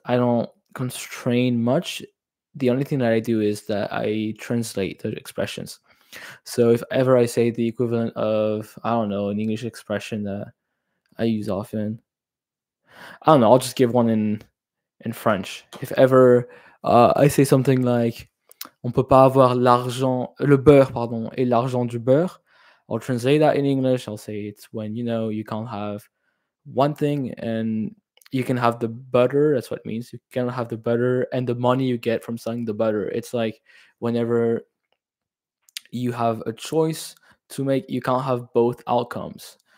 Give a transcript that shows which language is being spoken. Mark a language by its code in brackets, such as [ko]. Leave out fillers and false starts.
[en] I don't constrain much. The only thing that I do is that I translate the expressions. So if ever I say the equivalent of, I don't know, an English expression that I use often. I don't know, I'll just give one in French. If ever I say something like [fr] on peut pas avoir l'argent le beurre pardon et l'argent du beurre, [en] I'll translate that in English. I'll say it's when you can't have one thing and you can have the butter. That's what it means. You can't have the butter and the money you get from selling the butter. It's like whenever you have a choice to make, you can't have both outcomes.